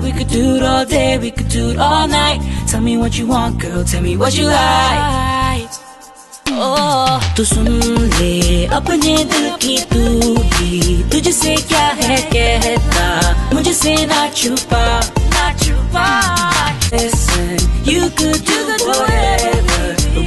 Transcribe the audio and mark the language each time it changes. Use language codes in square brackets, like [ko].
[en] We could do it all day. We could do it all night. Tell me what you want, girl. Tell me what you like. [hi] Oh, तो सुन ले अपने दिल की तू भी तुझसे क्या है कहता मुझसे ना छुपा ना छुपा [en] Listen, you could do whatever.